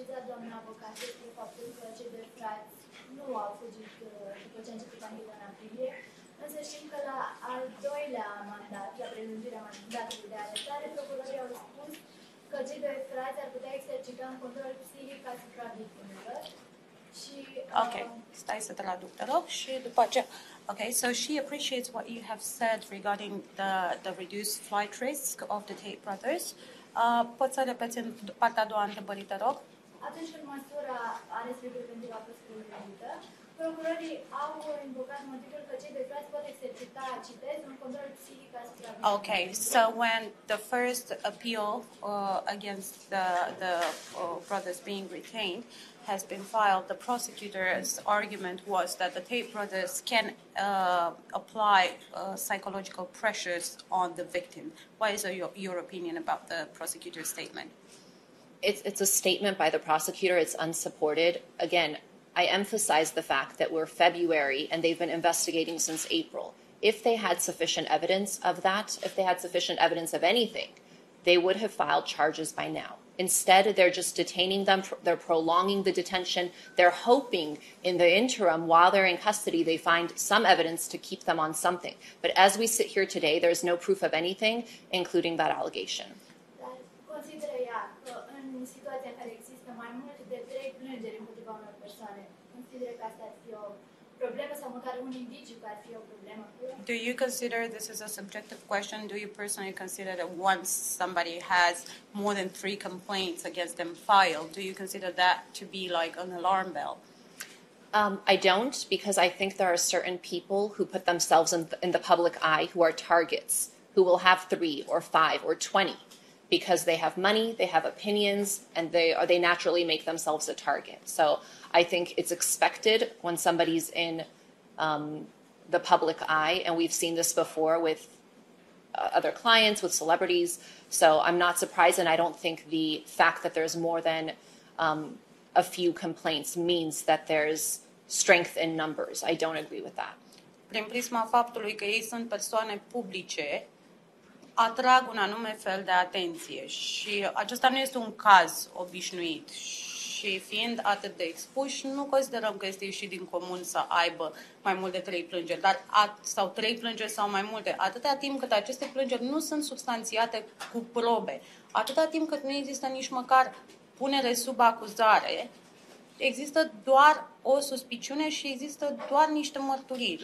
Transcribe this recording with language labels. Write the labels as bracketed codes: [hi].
[ro] Doamna avocat, este faptul că cei doi frați nu au fugit după ce a început anghiva în aprilie, însă știm că la al doilea mandat, la prelungirea mandatului de arestare, procurorii au spus că cei doi frați ar putea exercita un control psihic asupra victimelor. Ok, stai să te aduc, te rog, și după aceea. [en] Ok, so she appreciates what you have said regarding the reduced flight risk of the Tate brothers. [ro] Poți să repeți în partea a doua întrebări, te rog? Atunci când măsura arestului preventiv a fost prelungită, procurorii au invocat motivul că cei doi frați pot exercita, citez, un control psihic asupra victimelor. [en] Ok, so when the first appeal against the brothers being retained has been filed, the prosecutor's argument was that the Tate brothers can apply psychological pressures on the victim. What is your opinion about the prosecutor's statement? It's a statement by the prosecutor. It's unsupported. Again, I emphasize the fact that we're February and they've been investigating since April. If they had sufficient evidence of that, if they had sufficient evidence of anything, they would have filed charges by now. Instead, they're just detaining them, they're prolonging the detention. They're hoping in the interim, while they're in custody, they find some evidence to keep them on something. But as we sit here today, there's no proof of anything, including that allegation. [ro] Consider ea că în situația în care există mai mult de 3 plângeri împotriva unor persoane, consider că asta ar fi o problemă sau măcar un indiciu că ar fi o problemă? [en] Do you consider, this is a subjective question, do you personally consider that once somebody has more than 3 complaints against them filed, do you consider that to be like an alarm bell? I don't, because I think there are certain people who put themselves in the public eye who are targets, who will have 3 or 5 or 20, because they have money, they have opinions, and they naturally make themselves a target. So I think it's expected when somebody's in the public eye, and we've seen this before with other clients, with celebrities. So I'm not surprised, and I don't think the fact that there's more than a few complaints means that there's strength in numbers. I don't agree with that. [ro] Prin prisma faptului că ei sunt persoane publice, atrag un anume fel de atenție. Și acesta nu este un caz obișnuit. Și fiind atât de expuși, nu considerăm că este ieșit din comun să aibă mai mult de 3 plângeri, sau 3 plângeri sau mai multe, atâta timp cât aceste plângeri nu sunt substanțiate cu probe, atâta timp cât nu există nici măcar punere sub acuzare, există doar o suspiciune și există doar niște mărturii.